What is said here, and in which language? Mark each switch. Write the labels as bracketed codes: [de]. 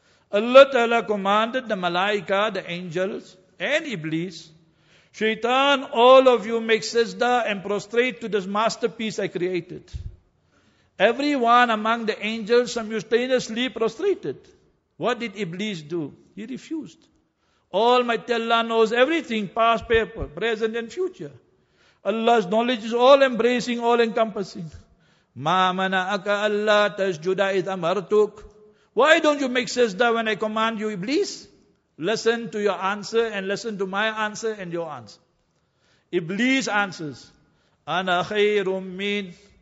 [en] Allah Ta'ala commanded the malaika, the angels, and Iblis, Shaitan, all of you make sajda and prostrate to this masterpiece I created. Everyone among the angels simultaneously prostrated. What did Iblis do? He refused. Almighty Allah knows everything, past, paper, present and future. Allah's knowledge is all-embracing, all-encompassing. [ar] مَا مَنَعَكَ أَلَّا تَسْجُدَ إِذْ أَمَرْتُكَ. [en] Why don't you make sajda when I command you, Iblis? Listen to your answer and listen to my answer and your answer. [ar] Iblis answers, أَنَا خَيْرٌ مِّنْ.